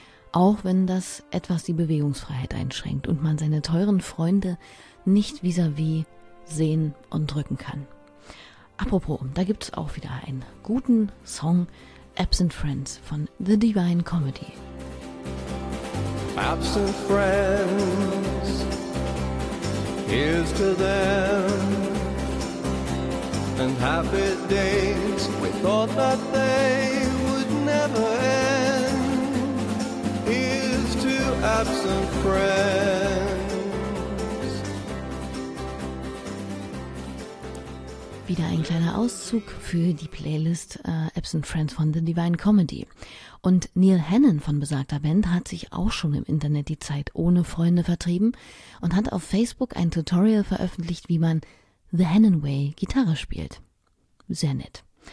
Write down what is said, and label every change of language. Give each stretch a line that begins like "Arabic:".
German: Auch wenn das etwas die Bewegungsfreiheit einschränkt und man seine teuren Freunde nicht vis-à-vis sehen und drücken kann. Apropos, da gibt es auch wieder einen guten Song, Absent Friends von The Divine Comedy.
English: Absent Friends, here's to them. And happy days we thought that they would never end. Here's to absent friends.
German: Wieder ein kleiner Auszug für die Playlist Absent Friends von The Divine Comedy. Und Neil Hannon von besagter Band hat sich auch schon im Internet die Zeit ohne Freunde vertrieben und hat auf Facebook ein Tutorial veröffentlicht, wie man The Hannon Way Gitarre spielt. Sehr nett.